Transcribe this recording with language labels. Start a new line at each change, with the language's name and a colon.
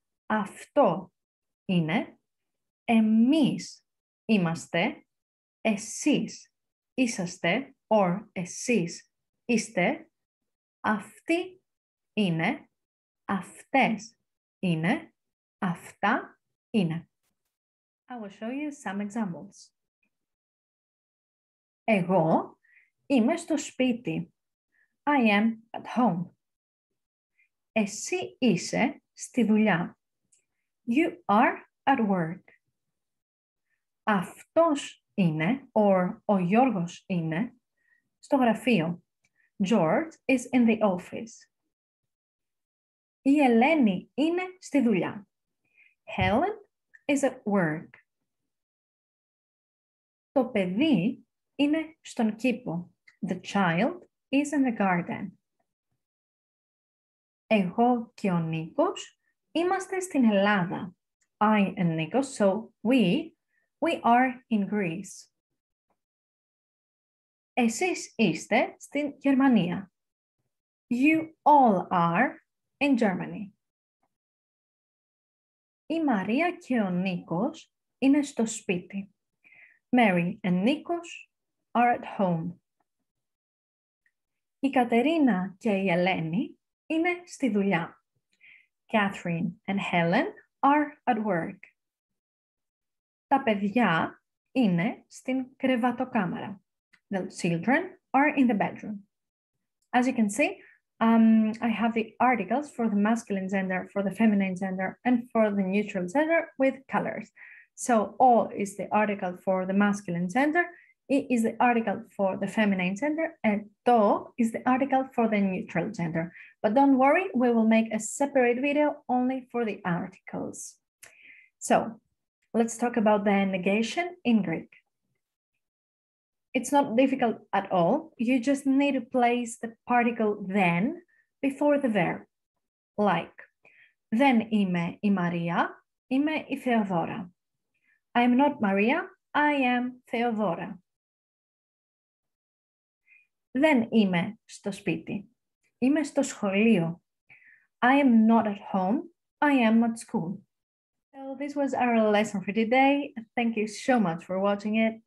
Greek: Αυτό είναι, εμείς είμαστε, εσείς είσαστε, or εσείς είστε, αυτή είναι, αυτές είναι, αυτά είναι.
English: I will show you some examples.
Greek: Εγώ είμαι στο σπίτι.
English: I am at home.
Greek: Εσύ είσαι στη δουλειά.
English: You are at work.
Greek: Αυτός είναι, or ο Γιώργος είναι, στο γραφείο.
English: George is in the office.
Greek: Η Ελένη είναι στη δουλειά.
English: Helen is at work.
Greek: Το παιδί είναι στον κήπο.
English: The child is in the garden.
Greek: Εγώ και ο Νίκος είμαστε στην Ελλάδα.
English: I and Nico, so we are in Greece.
Greek: Εσείς είστε στην Γερμανία.
English: You all are in Germany.
Greek: Η Μαρία και ο Νίκος είναι στο σπίτι.
English: Mary and Nikos are at home.
Greek: Η Κατερίνα και η Ελένη είναι στη δουλειά.
English: Catherine and Helen are at work.
Greek: Τα παιδιά είναι στην κρεβατοκάμαρα.
English: The children are in the bedroom. As you can see, I have the articles for the masculine gender, for the feminine gender, and for the neutral gender with colors. So O is the article for the masculine gender, I is the article for the feminine gender, and TO is the article for the neutral gender. But don't worry, we will make a separate video only for the articles. So, let's talk about the negation in Greek. It's not difficult at all. You just need to place the particle then before the verb. Like, then
Greek: είμαι η Μαρία, είμαι η Θεοδώρα.
English: I am not Maria, I am Θεοδώρα.
Greek: Δεν είμαι στο σπίτι. Είμαι στο σχολείο.
English: I am not at home. I am at school. So this was our lesson for today. Thank you so much for watching it.